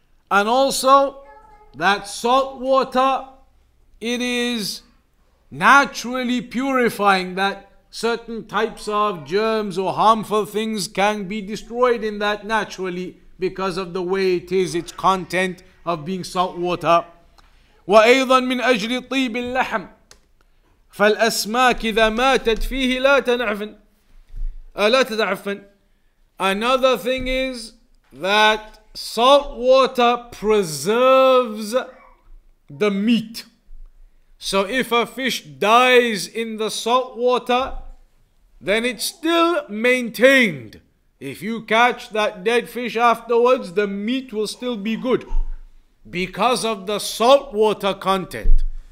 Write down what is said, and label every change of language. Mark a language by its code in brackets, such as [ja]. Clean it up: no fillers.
[en] And also, that salt water, it is naturally purifying, that certain types of germs or harmful things can be destroyed in that naturally because of the way it is, its content of being salt water. [ar] وَأَيْضًا مِنْ أَجْلِ طِيبِ اللَّحْمِ فَالْأَسْمَاكِ إِذَا مَاتَتْ فِيهِ لَا تَنَعْفَنَ. [en] Another thing is that salt water preserves the meat. So if a fish dies in the salt water, then it's still maintained. If you catch that dead fish afterwards, the meat will still be good because of the salt water content.